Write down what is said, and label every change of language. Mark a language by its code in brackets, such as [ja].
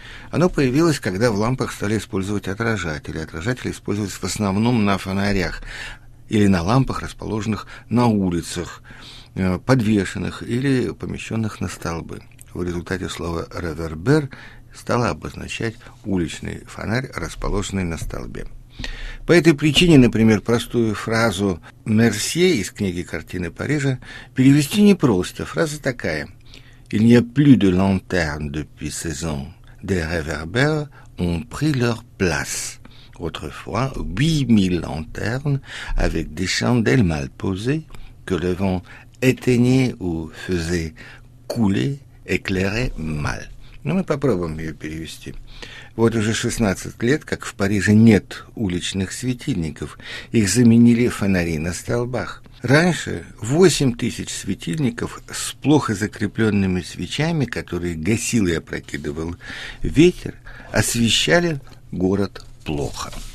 [ru] Оно появилось, когда в лампах стали использовать отражатели. Отражатели использовались в основном на фонарях или на лампах, расположенных на улицах, подвешенных или помещенных на столбы. В результате слово «ревербер» стало обозначать уличный фонарь, расположенный на столбе. По этой причине, например, простую фразу «Мерсье» из книги «Картины Парижа» перевести непросто. Фраза такая: [fr] «Il n'y a plus de lanterne depuis saison. Des réverbères ont pris leur place. Autrefois, 8000 lanternes avec des chandelles mal posées que le vent éteignait ou faisait couler éclairaient mal. [ru] Ну, мы попробуем ее перевести. Вот уже 16 лет, как в Париже нет уличных светильников. Их заменили фонари на столбах. Раньше 8 тысяч светильников с плохо закрепленными свечами, которые гасил и опрокидывал ветер, освещали город плохо.